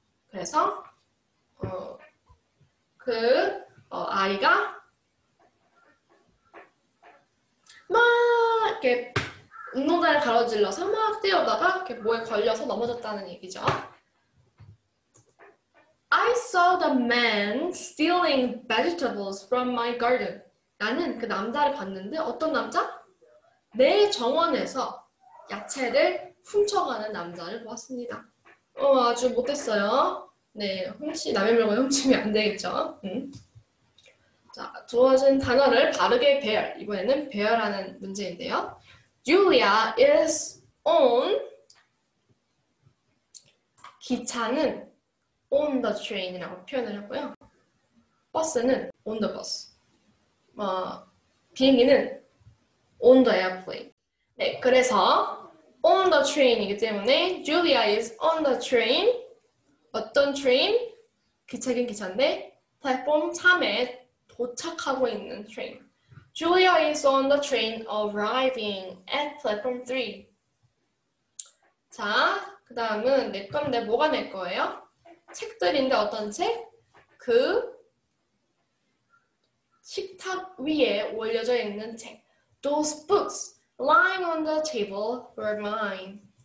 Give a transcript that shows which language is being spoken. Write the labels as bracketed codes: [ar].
[ko] 그래서 그 아이가 막 이렇게 운동장을 가로질러서 막 뛰어다가 이렇게 뭐에 걸려서 넘어졌다는 얘기죠. [en] I saw the man stealing vegetables from my garden. [ko] 나는 그 남자를 봤는데 어떤 남자? 내 정원에서 야채를 훔쳐가는 남자를 보았습니다. 아주 못했어요. 네, 훔치, 남의 물건 훔치면 안 되겠죠. 자, 주어진 단어를 바르게 배열. 이번에는 배열하는 문제인데요. [en] Julia is on [ko] 기차는 [en] on the train [ko] 이라고 표현을 했고요. 버스는 [en] on the bus. [ko] 비행기는 [en] on the airplane. [ko] 네, 그래서 on the train이기 때문에 [en] Julia is on the train. [ko] 어떤 train? 기차긴 기차인데 플랫폼 3에 도착하고 있는 train. [en] Julia is on the train arriving at platform 3. [ko] 자, 그 다음은 내 건데 뭐가 낼 거예요? 책들인데 어떤 책? 그 식탁 위에 올려져 있는 책. [en] Those books lying on the table were mine.